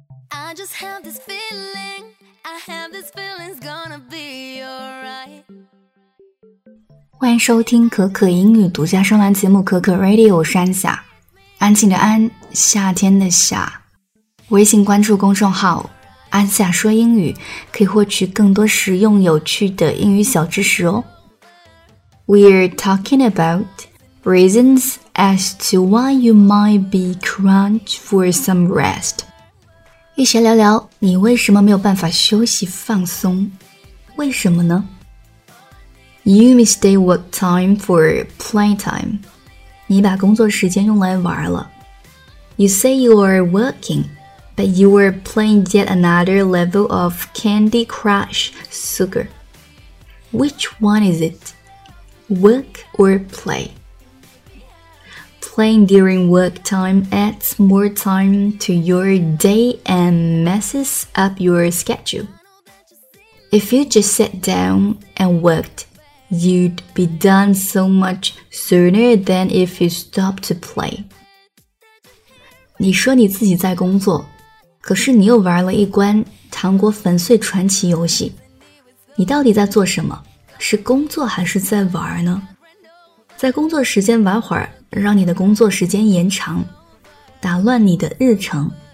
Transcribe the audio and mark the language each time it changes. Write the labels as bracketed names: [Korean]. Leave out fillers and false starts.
[English] I just have this feeling, I have this feeling's gonna be alright. [Chinese] 欢迎收听可可英语独家声栏节目可可 Radio， 我是安夏，安静的安，夏天的夏。微信关注公众号安夏说英语，可以获取更多实用有趣的英语小知识哦。 [English] We're talking about reasons as to why you might be crunched for some rest. [Chinese] 一起聊聊你为什么没有办法休息放松，为什么呢？ [English] You mistake work time for playtime. [Chinese] 你把工作时间用来玩了。 [English] You say you are working, but you are playing yet another level of Candy Crush Sugar. Which one is it? Work or play? Playing during work time adds more time to your day and messes up your schedule. If you just sat down and worked, you'd be done so much sooner than if you stopped to play. [Chinese] 你说你自己在工作，可是你又玩了一关糖果粉碎传奇游戏。你到底在做什么？是工作还是在玩呢？在工作时间玩会儿，让你的工作时间延长，打乱你的日程。